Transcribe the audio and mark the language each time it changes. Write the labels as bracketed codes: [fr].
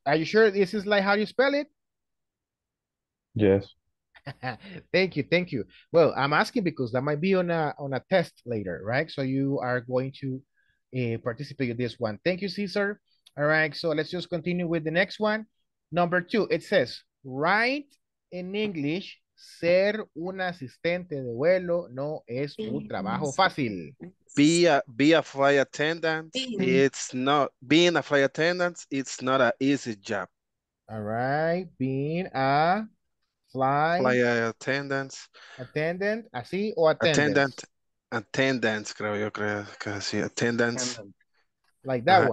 [en] Are you sure this is like how you spell it? Yes. Thank you, thank you. Well, I'm asking because that might be on a test later, right? So you are going to participate in this one. Thank you, Cesar. All right, so let's just continue with the next one. Number two, it says, write in English, [es] ser un asistente de vuelo no es un trabajo fácil. [en] Be a flight attendant, it's not, being a flight attendant, it's not an easy job. All right, being a attendant. Like that one.